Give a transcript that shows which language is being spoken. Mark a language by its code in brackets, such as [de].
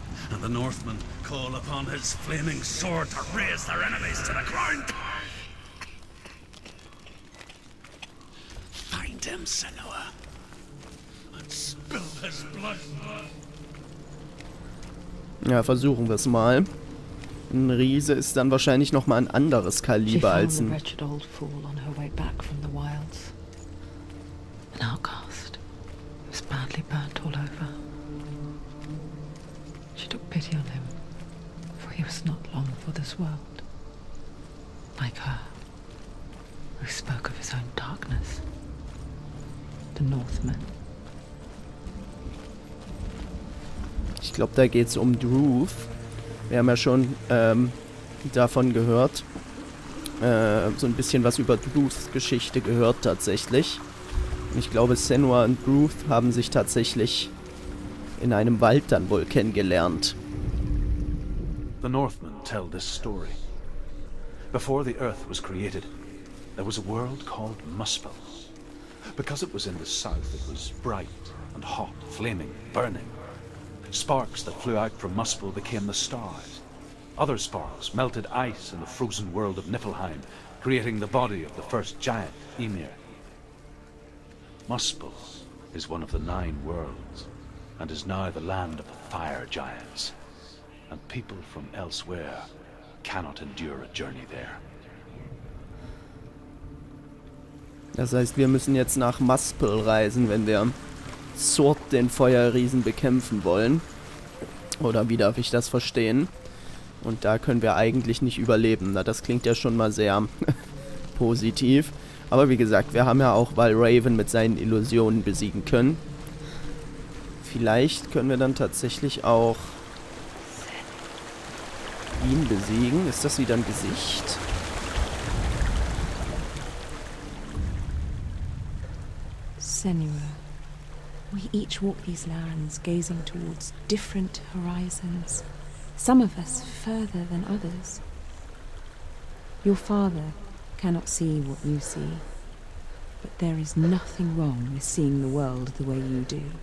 [en] And the Northmen call upon his flaming sword to raise their enemies to the ground. Find him, Senua, and spill his blood. [de] Ja, versuchen wir es mal. Ein Riese ist dann wahrscheinlich noch mal ein anderes Kaliber als ein [en] wretched old fool on her way back from the wilds. An outcast. He was badly burnt all over. Pity on him, for he was not long for this world. Like her, who spoke of his own darkness. The Northmen. [de] Ich glaube, da geht's um Druth. Wir haben ja schon davon gehört. So ein bisschen was über Druths Geschichte gehört tatsächlich. Ich glaube, Senua und Druth haben sich tatsächlich in einem Wald dann wohl kennengelernt. [en] The Northmen tell this story. Before the Earth was created, there was a world called Muspel. Because it was in the south, it was bright and hot, flaming, burning. Sparks that flew out from Muspel became the stars. Other sparks melted ice in the frozen world of Niflheim, creating the body of the first giant, Ymir. Muspel is one of the nine worlds, and is now the land of the fire giants. And people from elsewhere cannot endure a journey there. [de] Das heißt, wir müssen jetzt nach Muspel reisen, wenn wir Surt, den Feuerriesen, bekämpfen wollen. Oder wie darf ich das verstehen? Und da können wir eigentlich nicht überleben. Na, das klingt ja schon mal sehr positiv. Aber wie gesagt, wir haben ja auch Valraven mit seinen Illusionen besiegen können. Vielleicht können wir dann tatsächlich auch ihn besiegen. Ist das wieder ein Gesicht? [en] Senua, we each walk these lands, gazing towards different horizons. Some of us further than others. Your father cannot see what you see, but there is nothing wrong with seeing the world the way you do.